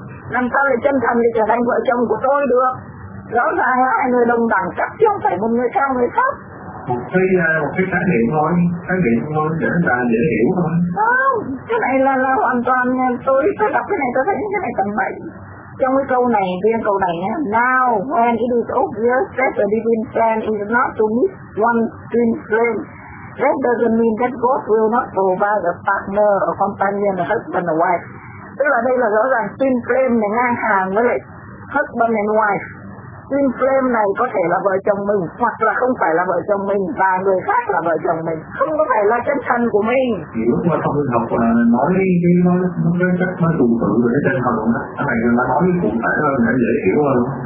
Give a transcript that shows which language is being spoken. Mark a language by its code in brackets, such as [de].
[vi] Làm sao lại chân thành để trở thành vợ chồng của tôi được? Rõ ràng là hai người đồng đẳng cấp chứ không phải một người cao người thấp. Một cái khái niệm thôi, dễ dàng dễ hiểu thôi. Không, cái này là hoàn toàn tôi đọc cái này tôi thấy cái này tầm bậy. Trong cái câu này, riêng câu này á, [en] now when it is obvious that the divine plan is not to meet one twin flame, that doesn't mean that God will not provide a partner, a companion, a husband, a wife. [vi] Tức là đây là rõ ràng twin flame này ngang hàng với lại husband and wife. Twin flame này có thể là vợ chồng mình hoặc là không phải là vợ chồng mình và người khác là vợ chồng mình, không có phải là chân thân của mình. Thì lúc mà trong trường hợp là nói chắc nó trùng tự với cái chân thân đó, cái này nó nói cụ thể hơn để dễ hiểu hơn.